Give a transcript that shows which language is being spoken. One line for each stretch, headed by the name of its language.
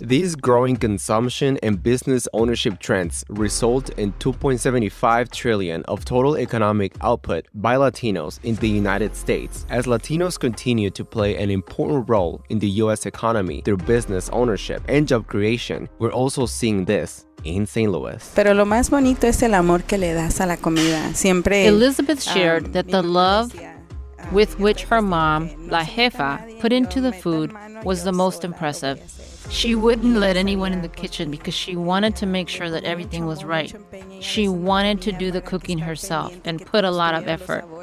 English: These growing consumption and business ownership trends result in $2.75 trillion of total economic output by Latinos in the United States. As Latinos continue to play an important role in the U.S. economy through business ownership and job creation, we're also seeing this in St. Louis.
Spanish: Pero lo más bonito es el amor que le das a la comida. Siempre.
English: Elizabeth shared that the love with which her mom, La Jefa, put into the food was the most impressive. She wouldn't let anyone in the kitchen because she wanted to make sure that everything was right. She wanted to do the cooking herself and put a lot of effort.